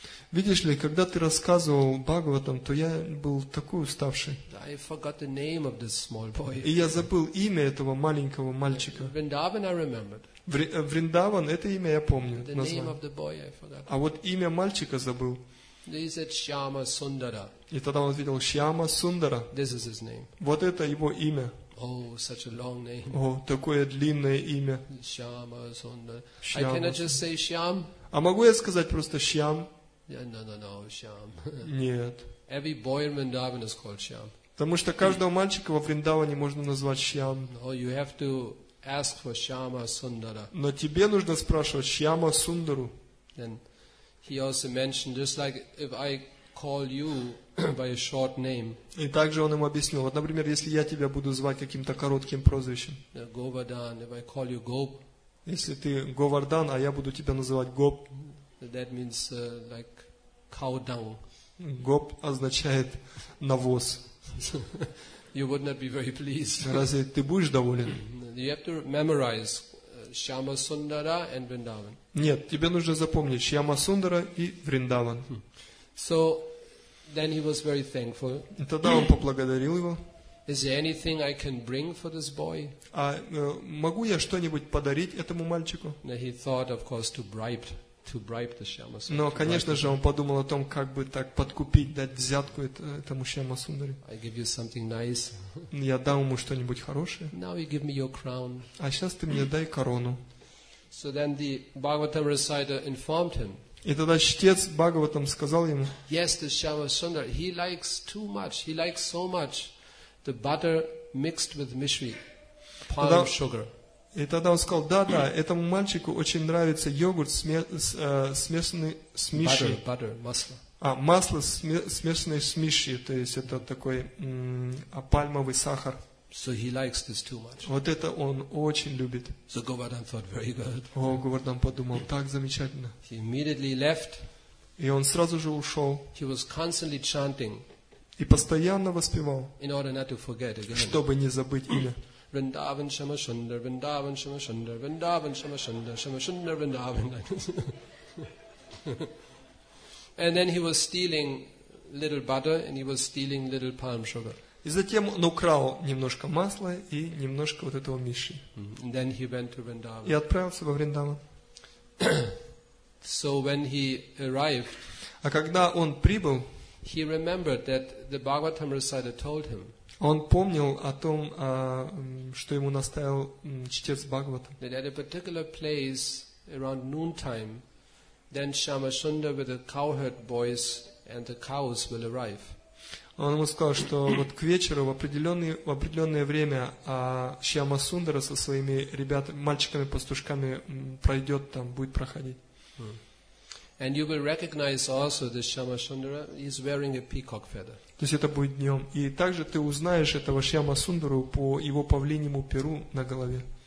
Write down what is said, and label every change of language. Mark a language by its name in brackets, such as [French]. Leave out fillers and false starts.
[Russian] Видишь ли, когда ты рассказывал Бхагаватам, то я был такой уставший. [English] I forgot the name of this small boy. [Russian] И я забыл имя этого маленького мальчика. [English] Vrindavan I remembered. [Russian] Vrindavan, это имя я помню. The название. [English] Name of the boy I forgot. [Russian] А вот имя мальчика забыл. [English] He said Shyama Sundara. [Russian] И тогда он видел Shyama Sundara. [English] This is his name. [Russian] Вот это его имя. [English] Oh, such a long name. [Russian] О, такое длинное имя. [English] Shyama Sundara. Shyama. I cannot just say Shyam. [Russian] А могу я сказать просто Shyam? [English] Yeah, no, Shyam. [Russian] Нет. [English] Every boy in Vrindavan is called Shyam. [Russian] Потому что каждого мальчика во Вриндаване можно назвать Shyam. [English] No, you have to ask for Shyama Sundara. [Russian] Но тебе нужно спрашивать Shyama Sundaru. [English] Then he also mentioned, just like if I call you by a short name. [Russian] И также он ему объяснил, вот, например, если я тебя буду звать каким-то коротким прозвищем. [English] Govardhan, if I call you Gop. [Russian] Если ты Говардхан, а я буду тебя называть Гоп. [English] That means like cow dung. [Russian] Gop означает навоз. [English] You would not be very pleased. [Russian] Разве ты будешь доволен? [English] You have to memorize Shyama Sundara and Vrindavan. [Russian] Нет, тебе нужно запомнить Shyama Sundara и Vrindavan. [English] So then he was very thankful. [Russian] Тогда он поблагодарил его. [English] Is there anything I can bring for this boy? [Russian] Могу я что-нибудь подарить этому мальчику? [English] Now he thought, of course, to bribe. To bribe the Shyama Sundara. [Russian] Но, конечно же, он подумал о том, как бы так подкупить, дать взятку этому Shyama Sundara. [English] I give you something nice. [Russian] Я дам ему что-нибудь хорошее. [English] Now you give me your crown. [Russian] А сейчас ты мне дай корону. [English] So then the Bhagavatam reciter informed him. [Russian] И тогда чтец Бхагаватам сказал ему. [English] Yes, this Shyama Sundar, he likes too much. He likes so much the butter mixed with mishri, palm sugar. [Russian] И тогда он сказал, да, этому мальчику очень нравится йогурт, смешанный с мишей. [English] Butter, масло. [Russian] А, масло, смешанное с мишей, то есть это такой пальмовый сахар. [English] So he likes this too much. [Russian] Вот это он очень любит. [English] So Govardhan thought very good. [Russian] О, Говардан подумал, так замечательно. [English] He immediately left. [Russian] И он сразу же ушел. [English] He was constantly chanting. [Russian] И постоянно воспевал. [English] In order not to forget again. [Russian] Чтобы не забыть имя. [English] Vrindavan Shama Sundar, Vrindavan Shama Sundar, Vrindavan Shama Sundar, Shama Sundar Vrindavan. And then he was stealing little butter and he was stealing little palm sugar. [Russian] И затем он украл немножко масла и немножко вот этого миши. [English] And then he went to Vrindavan. [Russian] И отправился во Вриндаван. [English] So when he arrived, [Russian] а когда он прибыл, [English] he remembered that the Bhagavatam reciter told him. [Russian] Он помнил о том, что ему наставил чтец Бхагаватам. [English] That at a particular place around noontime, then Shyama Sundar with the cowherd boys and the cows will arrive. [Russian] Он ему сказал, что вот к вечеру в определенное время Шьяма Сундара со своими ребятами, мальчиками-пастушками пройдет там, будет проходить. [English] And you will recognize also this Shyama Sundara. He's wearing a peacock feather. [Russian] То есть это будет днем. И также ты узнаешь этого Шьяма Сундару по его павлиньему перу на голове.